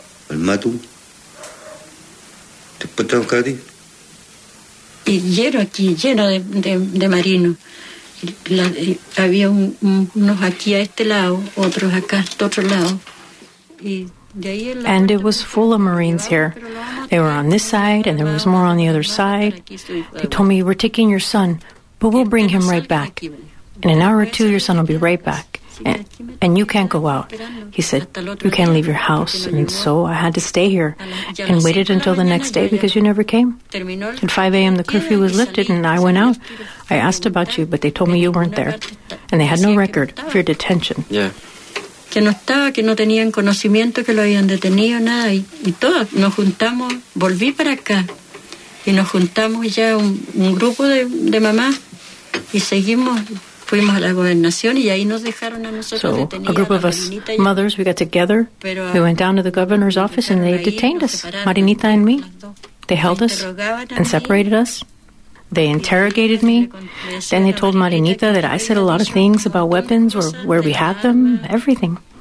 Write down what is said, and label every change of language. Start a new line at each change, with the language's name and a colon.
Spanish: El Matu. Después te vas a buscar a ti. Y lleno aquí, lleno de marinos. Había unos aquí a este lado, otros acá, a otro lado.
English: And it was full of Marines here. They were on this side, and there was more on the other side. They told me, we're taking your son, but we'll bring him right back. In an hour or two, your son will be right back. And you can't go out. He said, you can't leave your house. And so I had to stay here and waited until the next day because you never came. At 5 a.m., the curfew was lifted and I went out. I asked about you, but they told me you weren't there. And they had no record of your detention. Yeah.
Spanish: Que no estaba, que no tenían conocimiento, que lo habían detenido, nada. Y todos nos juntamos, volví para acá. Y nos juntamos ya un grupo de mamás y seguimos.
English: So a group of us mothers, we got together, we went down to the governor's office and they detained us, Marinita and me. They held us and separated us. They interrogated me. Then they told Marinita that I said a lot of things about weapons or where we had them, everything.